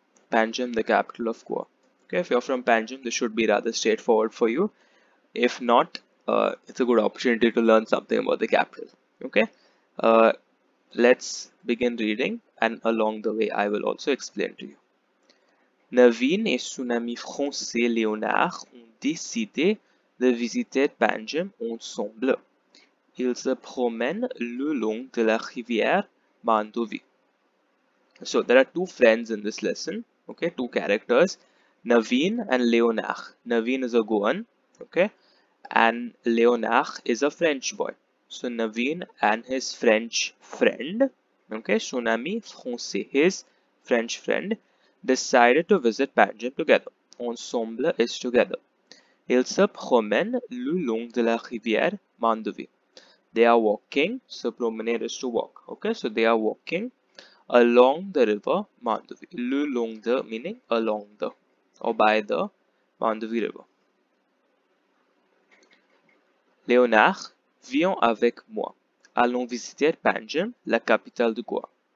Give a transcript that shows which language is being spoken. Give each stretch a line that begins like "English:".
English: Panjim, the capital of Goa. Okay, if you're from Panjim, this should be rather straightforward for you. If not, it's a good opportunity to learn something about the capital. Okay, let's begin reading, and along the way I will also explain to you.
French: Navin et son ami français Léonard ont décidé de visiter Panjim ensemble. Ils se promènent le long de la rivière Mandovi.
English: So there are two friends in this lesson, okay, two characters, Navin and Léonard. Navin is a Goan, okay, and Léonard is a French boy. So Navin and his French friend, okay,
French: son ami français,
English: his French friend, decided to visit Panjim together. Ensemble is together.
French: Ils se promènent le long de la rivière Mandovi.
English: They are walking. So, promener is to walk. Okay, so they are walking along the river Mandovi.
French: Le long de
English: meaning along the or by the Mandovi River.
French: Léonard, viens avec moi. Allons visiter Panjim, la capitale de Goa.